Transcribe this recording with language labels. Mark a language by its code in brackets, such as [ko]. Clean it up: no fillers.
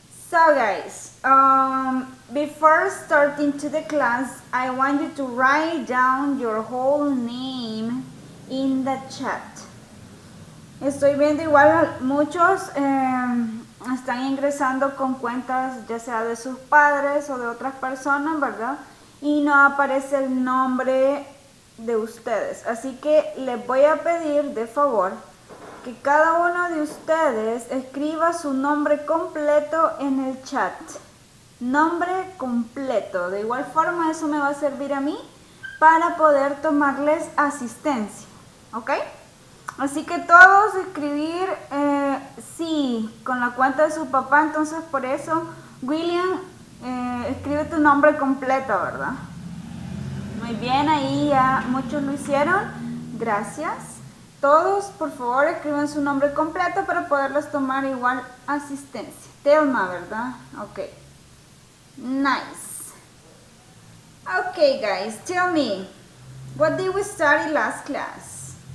[en] So, guys, before starting to the class, I want you to write down your whole name in the chat. [es] Estoy viendo igual muchos están ingresando con cuentas ya sea de sus padres o de otras personas, ¿verdad? Y no aparece el nombre de ustedes. Así que les voy a pedir de favor que cada uno de ustedes escriba su nombre completo en el chat. Nombre completo. De igual forma, eso me va a servir a mí para poder tomarles asistencia. ¿Ok? Así que todos escribir, sí, con la cuenta de su papá. Entonces, por eso, William, escribe tu nombre completo, ¿verdad? Muy bien, ahí ya muchos lo hicieron. Gracias. Todos, por favor, escriban su nombre completo para poderles tomar igual asistencia. Thelma, ¿verdad? Ok. Nice. [en] Okay, guys, tell me, what did we study last class?